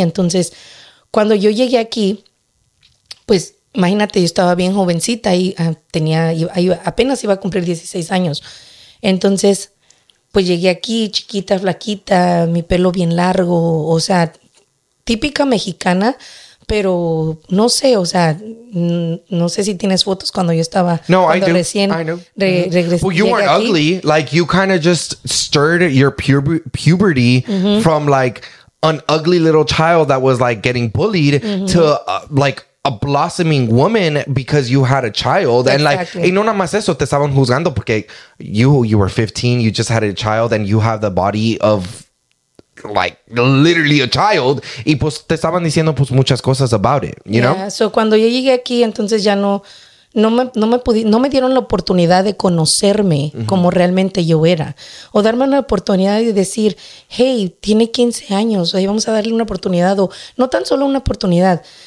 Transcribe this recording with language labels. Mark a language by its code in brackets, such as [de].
[es] Entonces, cuando yo llegué aquí, pues imagínate, yo estaba bien jovencita y apenas iba a cumplir 16 años. Entonces... pues llegué aquí, chiquita, flaquita, mi pelo bien largo, o sea, típica mexicana, pero no sé, o sea, no sé si tienes fotos cuando yo estaba recién regresé. [en] Well, you weren't ugly, like you kind of just stirred your puberty from like an ugly little child that was like getting bullied to like a blossoming woman because you had a child. Exactly. And like, [es] y no nada más eso, te estaban juzgando porque [en] you were 15, you just had a child and you have the body of like literally a child. [es] Y pues te estaban diciendo pues muchas cosas [en] about it, you know? [es] So cuando yo llegué aquí, entonces ya no me dieron la oportunidad de conocerme como realmente yo era. O darme una oportunidad de decir, hey, tiene 15 años, vamos a darle una oportunidad. O no tan solo una oportunidad,